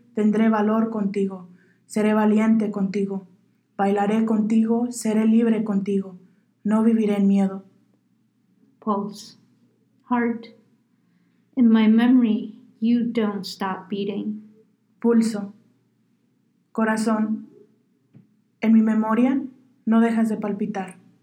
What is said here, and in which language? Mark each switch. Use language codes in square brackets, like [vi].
[es] tendré valor contigo, seré valiente contigo, bailaré contigo, seré libre contigo, no viviré en miedo. [en] Pulse, heart, in my memory, you don't stop beating. [es] Pulso, corazón, en mi memoria, no dejas de palpitar.